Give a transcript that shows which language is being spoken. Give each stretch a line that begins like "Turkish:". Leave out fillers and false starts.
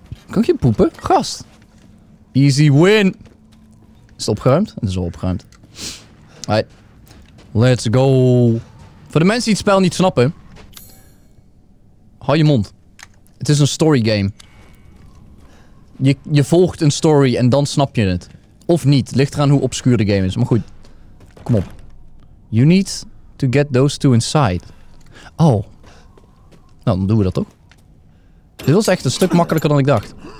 Dutch: Kan ik je poepen? Gast.
English: Easy win.
Dutch: Is het opgeruimd? Het is al opgeruimd. Alright.
English: Let's go.
Dutch: Voor de mensen die het spel niet snappen. Hou je mond. Het is een story game. Je volgt een story en dan snap je het. Of niet. Ligt eraan hoe obscuur de game is. Maar goed. Kom op.
English: You need to get those two inside.
Dutch: Oh. Nou, dan doen we dat toch? Dit was echt een stuk makkelijker dan ik dacht.